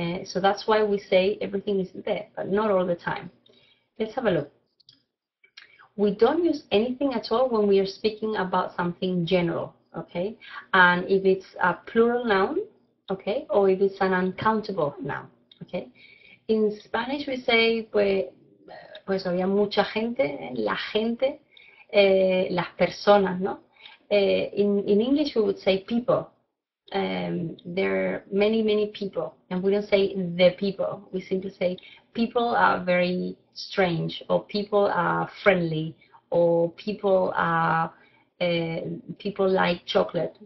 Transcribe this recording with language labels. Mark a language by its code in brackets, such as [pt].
[en] So that's why we say everything is de, but not all the time. Let's have a look. We don't use anything at all when we are speaking about something general, okay? And if it's a plural noun, okay, or if it's an uncountable noun, okay? In Spanish, we say, [es] pues había mucha gente, la gente, las personas, no? [en] In English, we would say people. There are many, many people, and we don't say the people. We simply say people are very strange, or people are friendly, or people like chocolate.